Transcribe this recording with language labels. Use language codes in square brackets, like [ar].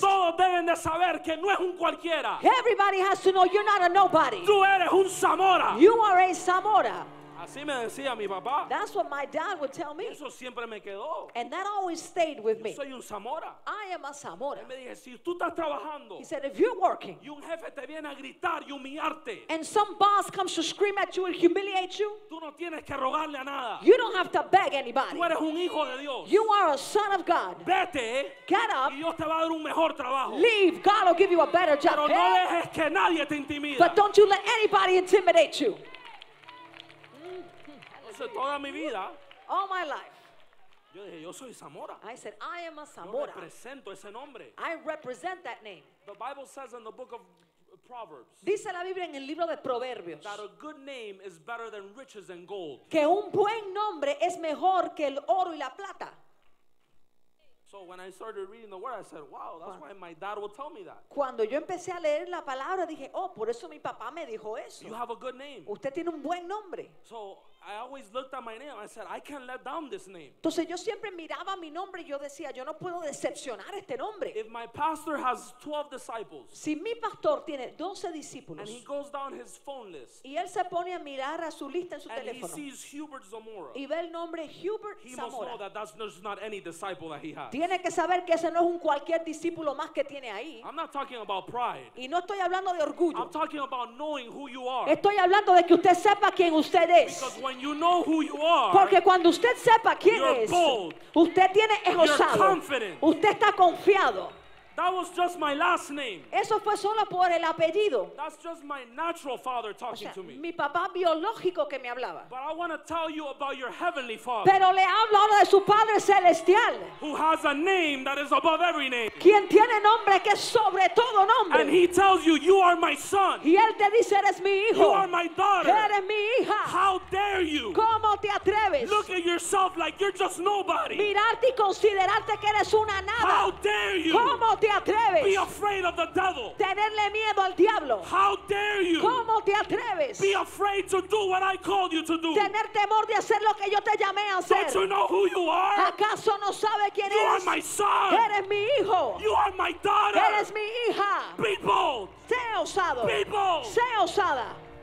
[es] todos deben de saber que no es un cualquiera. [en] Everybody has to know you're not a nobody. [es] Tú eres un Zamora. [en] You are a Zamora. [es] Así me decía mi papá. [en] That's what my dad would tell me. [es] Eso siempre me quedó. [en] And that always stayed with [es] yo Soy un Zamora. [en] I am a Zamora. [es] Él me dije, si tú estás trabajando, [en] he said, if you're working, [es] y un jefe te viene a gritar y humillarte, [en] and some boss comes to scream at you and humiliate you, [es] tú no tienes que rogarle a nada. [en] You don't have to beg anybody. [es] Tú eres un hijo de Dios. [en] You are a son of God. [es] Vete. [en] Get up. [es] Y Dios te va a dar un mejor trabajo. [en] Leave. God will give you a better job. [es] Pero no dejes que nadie te intimida. [en] But don't you let anybody intimidate you. [es] Toda mi vida, [en] all my life, [es] yo dije, yo soy Zamora. [en] I said, I am a Zamora. [es] Yo represento ese nombre. [en] I represent that name. The Bible says in the book of Proverbs, [es] dice la Biblia en el libro de Proverbios, [en] that a good name is better than riches and gold. [es] Que un buen nombre es mejor que el oro y la plata. [en] So when I started reading the word, I said, wow, that's why my dad will tell me that. [es] Cuando yo empecé a leer la palabra, dije, oh, por eso mi papá me dijo eso. [en] You have a good name. [es] Usted tiene un buen nombre. [en] So I always looked at my name. I said, I can't let down this name. [es] Entonces yo siempre miraba mi nombre y yo decía, yo no puedo decepcionar este nombre. [en] If my pastor has 12 disciples, [es] si mi pastor tiene 12 discípulos, [en] and he goes down his phone list, [es] y él se pone a mirar a su lista en su [en] and [es] teléfono, [en] he sees Hubert Zamora, [es] y ve el nombre Hubert [en] he [es] Zamora, [en] must know that there's not any disciple that he has. [es] Tiene que saber que ese no es un cualquier discípulo más que tiene ahí. [en] I'm not talking about pride. [es] Y no estoy hablando de orgullo. [en] I'm talking about knowing who you are. [es] Estoy hablando de que usted sepa quién usted es. [en] Because when when you know who you are, [es] porque cuando usted sepa quién [en] you're [es] es, [en] bold, [es] usted tiene esposado, confident. Usted está confiado. [en] That was just my last name. [es] Eso fue solo por el apellido. [en] That's just my natural father talking, [es] o sea, [en] to me. [es] Mi papá biológico que me hablaba. [en] But I want to tell you about your heavenly father. [es] Pero le hablo ahora de su padre celestial. [en] Who has a name that is above every name. [es] Quien tiene nombre que es sobre todo nombre. [en] And he tells you, you are my son. [es] Y él te dice, eres mi hijo. [en] You are my daughter. [es] Eres mi hija. [en] How dare you? [es] ¿Cómo te atreves? [en] Look at yourself like you're just nobody. [es] Mirarte y considerarte que eres una nada. [en] How dare you? [es] ¿Cómo te atreves? [en] Be afraid of the devil. [es] Tenerle miedo al diablo. [en] How dare you? [es] ¿Cómo te atreves? [en] Be afraid to do what I called you to do. [es] Tener temor de hacer lo que yo te llamé a hacer. [en] Don't you know who you are? [es] ¿Acaso no sabe quién eres? [en] You are my son. [es] Eres mi hijo. [en] You are my daughter. [es] Eres mi hija. [en] Be bold. [es] Sé osado. [en] Be bold. [es] Sé osada.